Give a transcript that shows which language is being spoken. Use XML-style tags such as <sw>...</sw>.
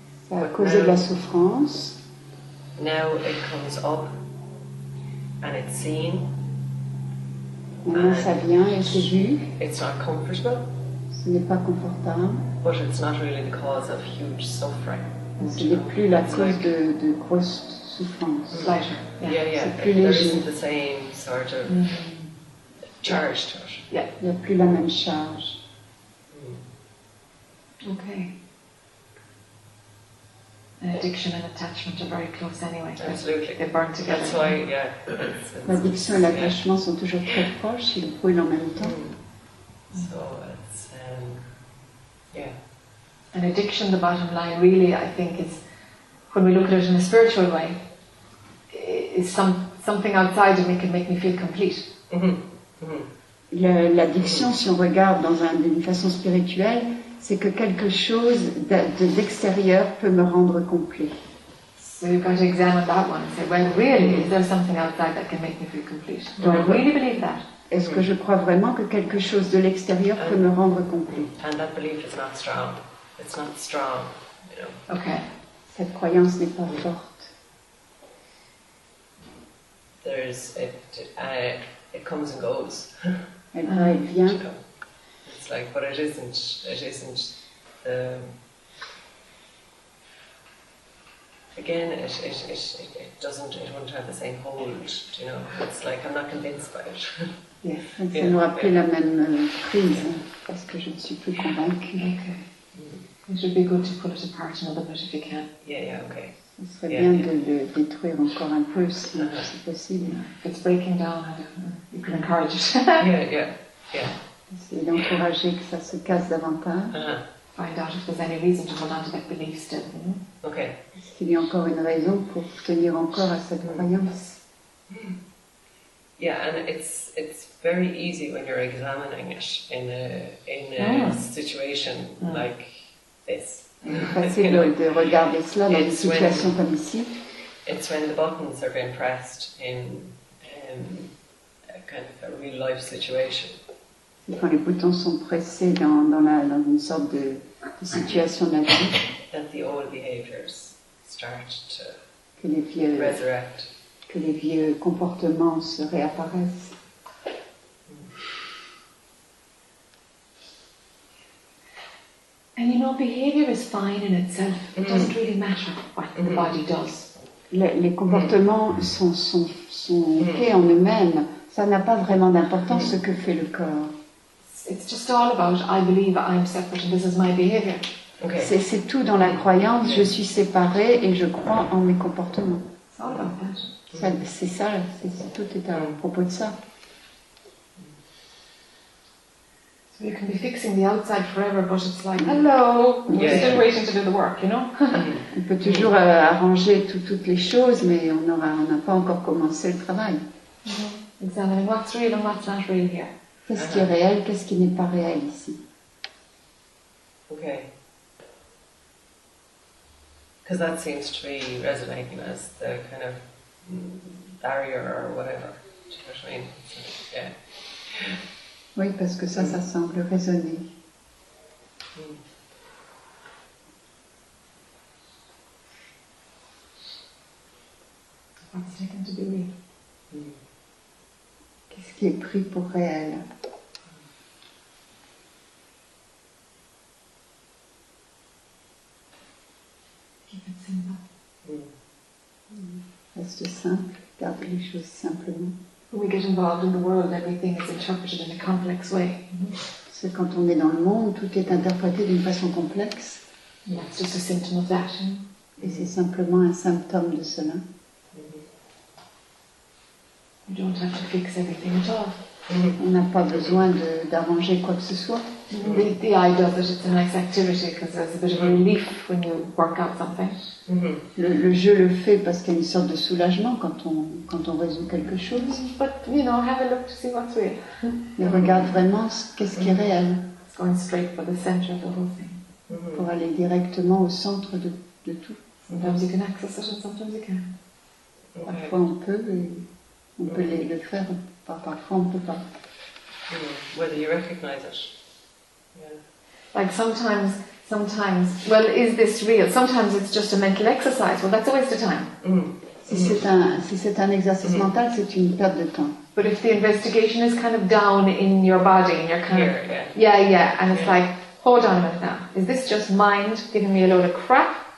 <fr>Ça a causé de la souffrance.</fr> <en>Now it comes up, and it's seen.</en> <fr>Maintenant, ça vient et c'est vu.</fr> <en>It's not comfortable.</en> <fr>Ce n'est pas confortable.</fr> <en>But it's not really the cause of huge suffering.</en> <fr>Ce n'est plus la cause de grosses souffrances.</fr> <en>Mm-hmm. Like,</en> <fr>yeah. Plus léger.</fr> <en>There isn't the same sort of charge to it. Yeah.</en> <fr>Il n'y a plus la même charge.</fr> <en>Okay. Addiction and attachment are very close anyway. Absolutely. They burn together. That's why, yeah.</en> <fr>L'addiction et l'attachement sont toujours très proches, ils brûlent en même temps.</fr> <en>So it's, yeah. An addiction, the bottom line, really, I think, is when we look at it in a spiritual way, is something outside of me can make me feel complete.</en> <fr>L'addiction, si on regarde d'une façon spirituelle, c'est que quelque chose d'extérieur peut me rendre complet.</fr> <en>So you've got to examine that one and say, well, really, is there something outside that can make me feel complete? Do I really believe that?</en> <fr>Est-ce que je crois vraiment que quelque chose de l'extérieur peut me rendre complet?</fr> <en>And that belief is not strong. It's not strong, you know. Okay.</en> <fr>Cette croyance n'est pas forte.</fr> <en>There's it comes and goes.</en> <fr>Elle vient.</fr> <en>Like, but it isn't it won't have the same hold, you know. It's like I'm not convinced by it.</en> <fr>Yes, ça n'aura plus la même prise, parce que je ne suis plus convaincue.</fr> <en>Okay. It should be good to pull it apart a little bit if you can. Yeah, okay.</en> <fr>Ce serait bien de le détruire encore un peu si c'est possible.</fr> <en>If it's breaking down, you can encourage it. yeah.</en> <fr>Essayer d'encourager que ça se casse davantage.</fr> <en>Find out if there's any reason to hold on to that belief still. Mm-hmm. Okay.</en> <fr>Est-ce qu'il y a encore une raison pour tenir encore à cette croyance?</fr> <en>Yeah, and it's very easy when you're examining it in a situation like this.</en> <fr>Facile de regarder cela dans une situation comme ici.</fr> <en>It's when the buttons are being pressed in a kind of a real life situation.</en> <fr>Quand les boutons sont pressés dans une sorte de situation de la vie,</fr> <en>that the old behaviors start to resurrect.</en> <fr>Que les vieux comportements se réapparaissent.</fr> <en>And you know, behavior is fine in itself. It doesn't really matter what the body does.</en> <fr>Les comportements sont ok en eux-mêmes. Ça n'a pas vraiment d'importance ce que fait le corps.</fr> <en>It's just all about I believe I'm separate and this is my behavior. Okay.</en> <fr>C'est tout dans la croyance, je suis séparée et je crois en mes comportements.</fr> <en>It's all about that.</en> <fr>Ça, c'est ça, c'est, tout est à propos de ça.</fr> <en>So you can be fixing the outside forever, but it's like, hello, we're still waiting to do the work, you know?</en> <fr>On peut toujours arranger toutes les choses, mais on n'a pas encore commencé le travail. Mm-hmm.</fr> <en>Examining what's real and what's not real here.</en> <fr>Qu'est-ce qui est réel, qu'est-ce qui n'est pas réel ici?</fr> <en>Okay. Because that seems to be resonating as the kind of barrier or whatever. Do you know what I mean? So,</en> <fr>Oui, parce que ça, ça semble résonner.</fr> <en>What's taken to be real?</en> <fr>Qu'est-ce qui est pris pour réel? Reste simple, garde les choses simplement.</fr> <en>When we get involved in the world, everything is interpreted in a complex way.</en> <fr>C'est quand on est dans le monde, tout est interprété d'une façon complexe.</fr> <en>And that's just a symptom of that. Mm-hmm.</en> <fr>Et c'est simplement un symptôme de cela. Mm-hmm.</fr> <en>We don't have to fix everything at all. Mm-hmm.</en> <fr>On n'a pas besoin d'arranger quoi que ce soit. Mm-hmm.</fr> <en>The idea that it's a nice activity because there's a bit of a relief when you work out something. Mm-hmm.</en> <fr>Le jeu le fait parce qu'il y a une sorte de soulagement quand on résout quelque chose.</fr> <en>But you know, have a look to see what's real.</en> <fr>Mais regarde vraiment qu'est-ce qui est réel.</fr> <en>It's going straight for the center of the whole thing.</en> <fr>Mm-hmm. Pour aller directement au centre de tout.</fr> <en>Sometimes you can access it and sometimes you can't.</en> <fr>Parfois on peut et on peut le faire, parfois on ne peut pas.</fr> <en>Mm-hmm. Whether you recognize it. Yeah. Like sometimes. Sometimes, well, is this real? Sometimes it's just a mental exercise. Well, that's a waste of time.</en> <fr>Si c'est un exercice mental, c'est une perte de temps.</fr> <en>But if the investigation is kind of down in your body, and you're kind here, of... Yeah. And it's like, hold on a minute now. Is this just mind giving me a load of crap?</en>